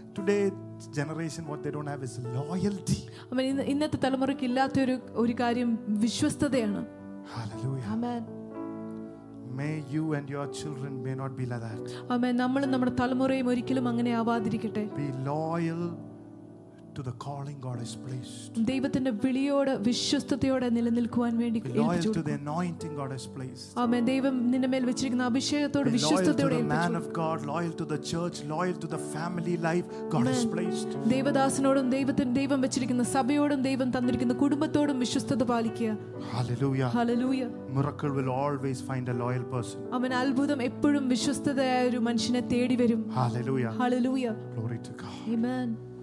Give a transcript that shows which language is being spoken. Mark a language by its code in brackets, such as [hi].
[en] Today generation what they don't have is loyalty. [ml] അമ്മ ഇന്നത്തെ തലമുറയ്ക്ക് ഇല്ലാത്ത ഒരു ഒരു കാര്യം വിശ്വസ്തതയാണ്. [en] Hallelujah. Amen. May you and your children may not be like that. അമ്മ നമ്മളും നമ്മുടെ തലമുറയും ഒരിക്കലും അങ്ങനെ ആവാതിരിക്കട്ടെ. Be loyal to the calling God has placed. [ml] ദൈവത്തിന്റെ വിളിയോട് വിശ്വസ്തതയോടെ നിലനിൽക്കുവാൻ വേണ്ടി ഏൽപ്പിച്ചു. [en] To the anointing God has placed. [ml] ആമേൻ ദൈവം നിന്നെമേൽ വെച്ചിരിക്കുന്ന അഭിഷേകത്തോട് വിശ്വസ്തതയോടെ ഏൽപ്പിച്ചു. [en] Loyal to the man of God, loyal to the church, loyal to the family life God has placed. [ml] ദൈവദാസനോടും ദൈവത്തിന്റെ ദൈവം വെച്ചിരിക്കുന്ന സഭയോടും ദൈവം തന്നിരിക്കുന്ന കുടുംബത്തോടും വിശ്വസ്തത പാലിക്കുക. [en] Hallelujah. Hallelujah. Miracle will always find a loyal person. [ml] ആമേൻ അത്ഭുതം എപ്പോഴും വിശ്വസ്തതയായ ഒരു മനുഷ്യനെ തേടി വരും. [en] Hallelujah. Hallelujah. Glory to God. Amen.